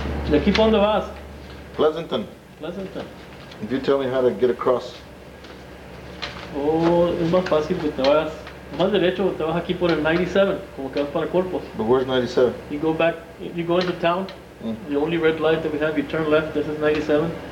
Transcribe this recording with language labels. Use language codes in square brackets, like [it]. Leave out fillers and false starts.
[es] ¿De aquí dónde vas? [en] Pleasanton. Pleasanton. If you tell me how to get across. [es] Oh, es más fácil que te vayas. Más derecho, te vas aquí por el 97, como que vas para Corpus. [en] But where's 97? You go back, you go into town, the only red light that we have, you turn left, this is 97.